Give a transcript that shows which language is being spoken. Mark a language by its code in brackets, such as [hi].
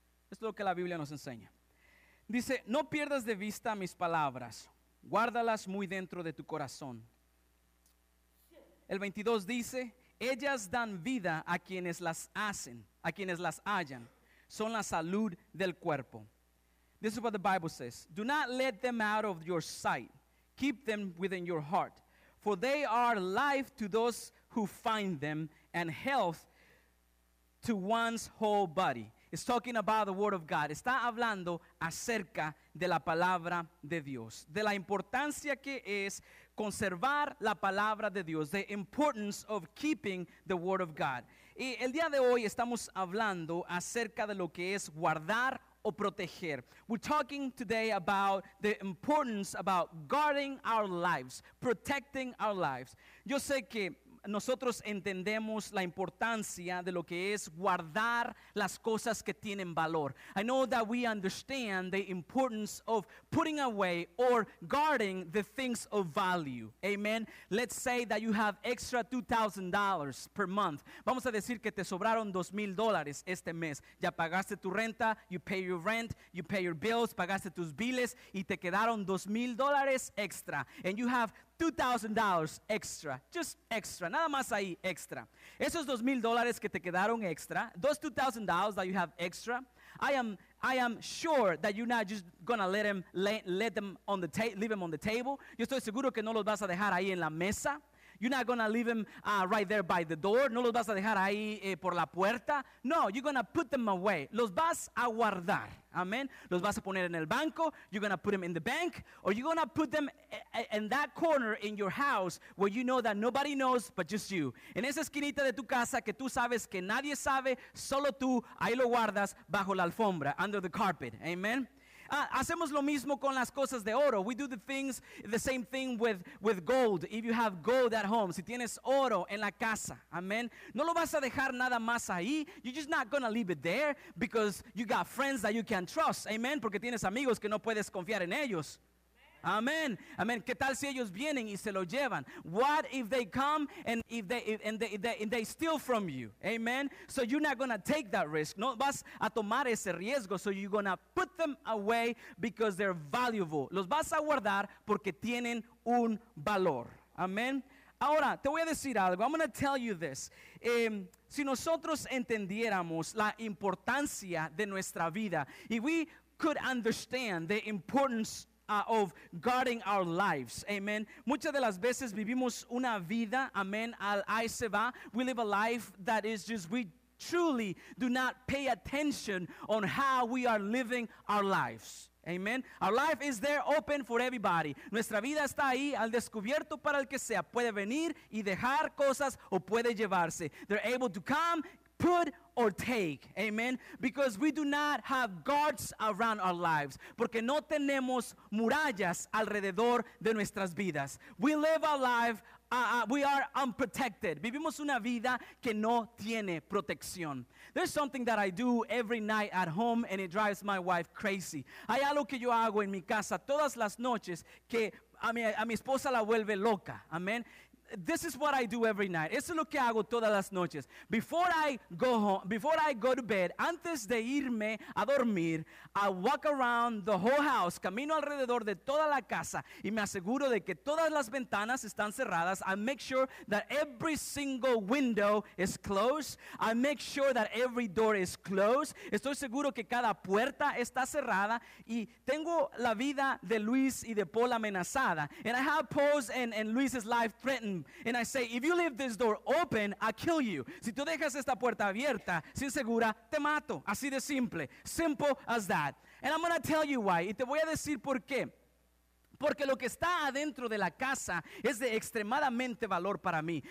[es] Esto es lo que la Biblia nos enseña. Dice, no pierdas de vista mis palabras. Guárdalas muy dentro de tu corazón. El 22 dice, ellas dan vida a quienes las hacen, a quienes las hallan. Son la salud del cuerpo. [en] This is what the Bible says. Do not let them out of your sight. Keep them within your heart, for they are life to those who find them and health to one's whole body. It's talking about the word of God. [es] Está hablando acerca de la palabra de Dios, de la importancia que es conservar la palabra de Dios, [en] the importance of keeping the word of God. [es] Y el día de hoy estamos hablando acerca de lo que es guardar o proteger. [en] We're talking today about the importance about guarding our lives, protecting our lives. [es] Yo sé que nosotros entendemos la importancia de lo que es guardar las cosas que tienen valor. [en] I know that we understand the importance of putting away or guarding the things of value. Amen. Let's say that you have extra $2,000 per month. [es] Vamos a decir que te sobraron $2,000 este mes. Ya pagaste tu renta, [en] you pay your rent, you pay your bills, [es] pagaste tus biles y te quedaron $2,000 extra. [en] And you have $2,000 extra, just extra, [es] nada más ahí, [en] extra. [es] Esos $2,000 que te quedaron extra, [en] those $2,000 that you have extra, I am sure that you're not just gonna leave them on the table. [es] Yo estoy seguro que no los vas a dejar ahí en la mesa. [en] You're not gonna leave them right there by the door. [es] No los vas a dejar ahí por la puerta. [en] No, you're gonna put them away. [es] Los vas a guardar. [en] Amen. [es] Los vas a poner en el banco. [en] You're gonna put them in the bank. Or you're gonna put them in that corner in your house where you know that nobody knows but just you. [es] En esa esquinita de tu casa que tú sabes que nadie sabe, solo tú, ahí lo guardas bajo la alfombra, [en] under the carpet. [es] Amen. Hacemos lo mismo con las cosas de oro. [en] We do the same thing with gold. If you have gold at home, [es] si tienes oro en la casa, [en] amen, [es] no lo vas a dejar nada más ahí. [en] You're just not gonna leave it there because you got friends that you can trust, amen, porque tienes amigos que no puedes confiar en ellos. Amen. Amen. [es] ¿Qué tal si ellos vienen y se lo llevan? [en] What if they come and if they steal from you? Amen. So you're not going to take that risk. [es] No vas a tomar ese riesgo. [en] So you're going to put them away because they're valuable. [es] Los vas a guardar porque tienen un valor. Amen. Ahora, te voy a decir algo. [en] I'm going to tell you this. Si nosotros entendiéramos la importancia de nuestra vida, if we could understand the importance of guarding our lives, amen. [es] Muchas de las veces vivimos una vida, amen, al ahí se va. [en] We live a life that is just, we truly do not pay attention on how we are living our lives, amen. Our life is there open for everybody. [es] Nuestra vida está ahí al descubierto para el que sea. Puede venir y dejar cosas o puede llevarse. [en] They're able to come, put or take. Amen. Because we do not have guards around our lives. [es] Porque no tenemos murallas alrededor de nuestras vidas. [en] We live our life, we are unprotected. [es] Vivimos una vida que no tiene protección. [en] There's something that I do every night at home and it drives my wife crazy. [es] Hay algo que yo hago en mi casa todas las noches que a mi esposa la vuelve loca. Amen. [en] This is what I do every night. [es] Eso es lo que hago todas las noches. [en] Before I go home, before I go to bed, [es] antes de irme a dormir, [en] I walk around the whole house, [es] camino alrededor de toda la casa y me aseguro de que todas las ventanas están cerradas. [en] I make sure that every single window is closed. I make sure that every door is closed. [es] Estoy seguro que cada puerta está cerrada y tengo la vida de Luis y de Paul amenazada. [en] And I have Paul's and Luis's life threatened. And I say, if you leave this door open, I kill you. [es] Si tú dejas esta puerta abierta, sin segura, te mato. Así de simple. [en] Simple as that. And I'm going to tell you why. [es] Y te voy a decir por qué. Porque lo que está adentro de la casa es de extremadamente valor para mí.